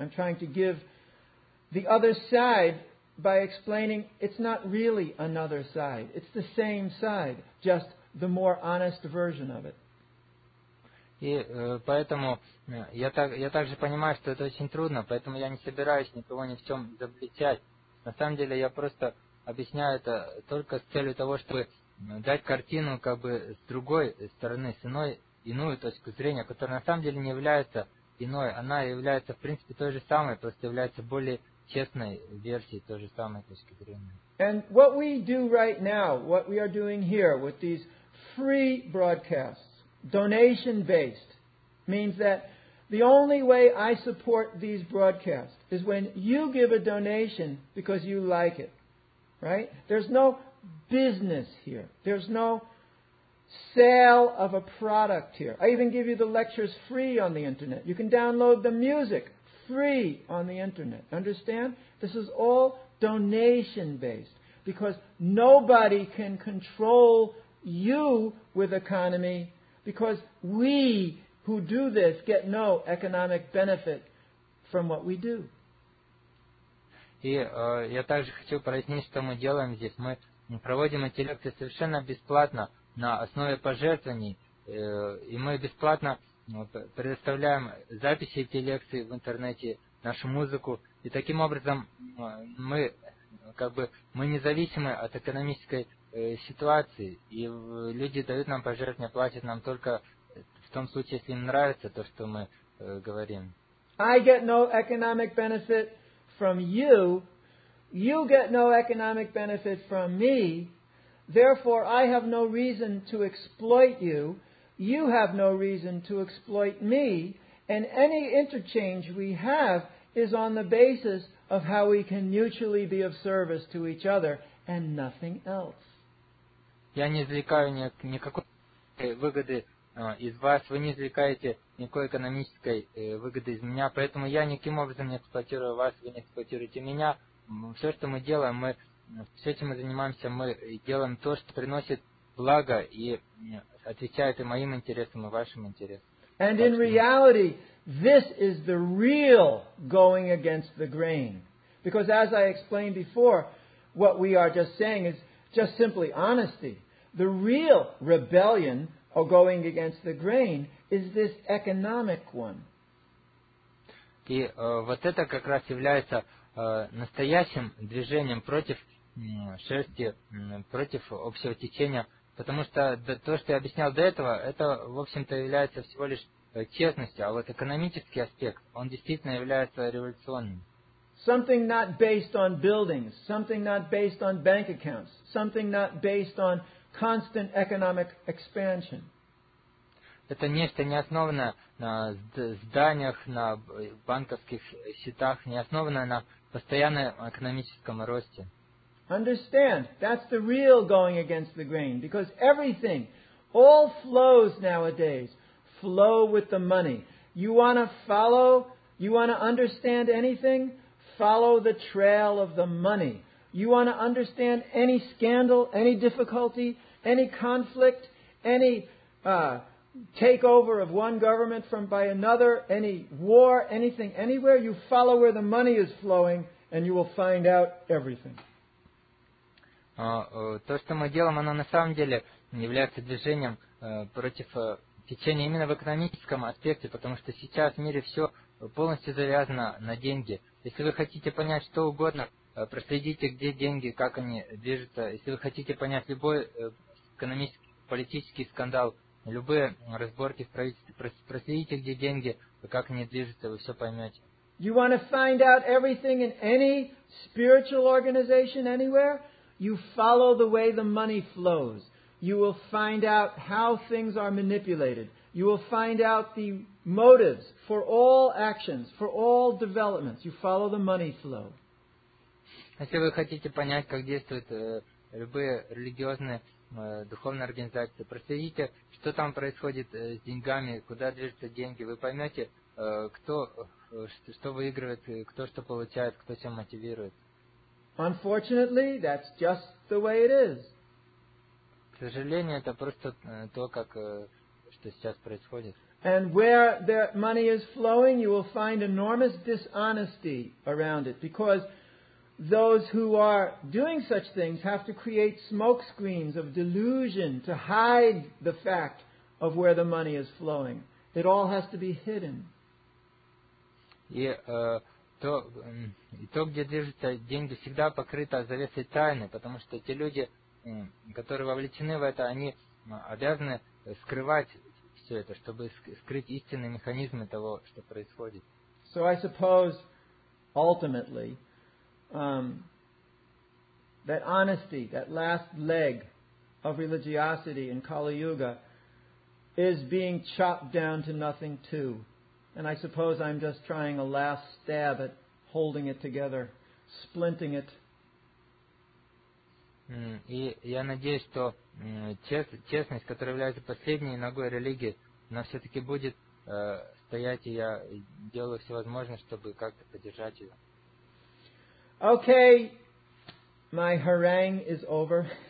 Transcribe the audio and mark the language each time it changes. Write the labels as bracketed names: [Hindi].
[English] I'm trying to give the other side by explaining it's not really another side. It's the same side, just the more honest version of it. [Russian] И поэтому я также понимаю, что это очень трудно, поэтому я не собираюсь никого ни в чем изобличать. На самом деле я просто объясняю это только с целью того, чтобы дать картину как бы с другой стороны, с иной, иную точку зрения, которая на самом деле не является иной. Она является в принципе той же самой, просто является более честной версией той же самой точки зрения. [English] And what we do right now, what we are doing here with these free broadcasts, donation-based, means that the only way I support these broadcasts is when you give a donation because you like it, right? There's no business here. There's no sale of a product here. I even give you the lectures free on the internet. You can download the music free on the internet. Understand? This is all donation based. Because nobody can control you with economy, because we who do this get no economic benefit from what we do. [Russian] И я также хочу прояснить, что мы делаем здесь. Мы проводим эти лекции совершенно бесплатно на основе пожертвований. И мы бесплатно предоставляем записи этих лекций в интернете, нашу музыку. И таким образом мы как бы мы независимы от экономической ситуации. И люди дают нам пожертвования, платят нам только в том случае, если им нравится то, что мы говорим. [English] I get no economic benefit from you. You get no economic benefit from me. Therefore, I have no reason to exploit you. You have no reason to exploit me. And any interchange we have is on the basis of how we can mutually be of service to each other and nothing else. [Russian] Я не извлекаю никакой выгоды из вас. Вы не извлекаете никакой экономической выгоды из меня. Поэтому я никаким образом не эксплуатирую вас. Вы не эксплуатируете меня. Все, что мы делаем, мы все, чем мы занимаемся, мы делаем то, что приносит благо и отвечает и моим интересам, и вашим интересам. [English] And in reality, this is the real going against the grain. Because as I explained before, what we are just saying is just simply honesty. The real rebellion or going against the grain is this economic one. [Russian] И вот это как раз является настоящим движением против шерсти, против общего течения. Потому что то, что я объяснял до этого, это, в общем-то, является всего лишь честностью. А вот экономический аспект, он действительно является революционным. [English] Something not based on buildings, something not based on bank accounts, something not based on constant economic expansion. [Russian] Это нечто не основанное на зданиях, на банковских счетах, не основанное на постоянном экономическом росте. [English] Understand, that's the real going against the grain, because everything, all flows nowadays, flow with the money. You want to follow, you want to understand anything? Follow the trail of the money. You want to understand any scandal, any difficulty, any conflict, any takeover of one government from by another, any war, anything, anywhere, you follow where the money is flowing and you will find out everything. [Russian] То, что мы делаем, оно на самом деле является движением против течения именно в экономическом аспекте, потому что сейчас в мире все полностью завязано на деньги. Если вы хотите понять что угодно, проследите, где деньги, как они движутся. Если вы хотите понять любой экономический, политический скандал, любые разборки в правительстве, проследите, где деньги, как они движутся, вы все поймете. [English] You want to find out everything in any spiritual organization anywhere? You follow the way the money flows. You will find out how things are manipulated. You will find out the motives for all actions, for all developments. You follow the money flow. [Russian] Если вы хотите понять, как действуют любые религиозные духовные организации, проследите, что там происходит с деньгами, куда движутся деньги, вы поймете, кто что выигрывает, кто что получает, кто чем мотивирует. [English] Unfortunately, that's just the way it is. [Russian] К сожалению, это просто то, как что сейчас происходит. [English] And where the money is flowing, you will find enormous dishonesty around it, because those who are doing such things have to create smoke screens of delusion to hide the fact of where the money is flowing. It all has to be hidden. [Russian] То, где движутся деньги, всегда покрыто завесой тайны, потому что те люди, которые вовлечены в это, они обязаны скрывать все это, чтобы скрыть истинные механизмы того, что происходит. [English] So I suppose, ultimately, that honesty, that last leg of religiosity in Kali-Yuga is being chopped down to nothing too. And I suppose I'm just trying a last stab at holding it together, splinting it. [Russian] И я надеюсь, что честность, которая является последней ногой религии, она все-таки будет стоять, и я делаю все возможное, чтобы как-то поддержать ее. [English] Okay, my harangue is over.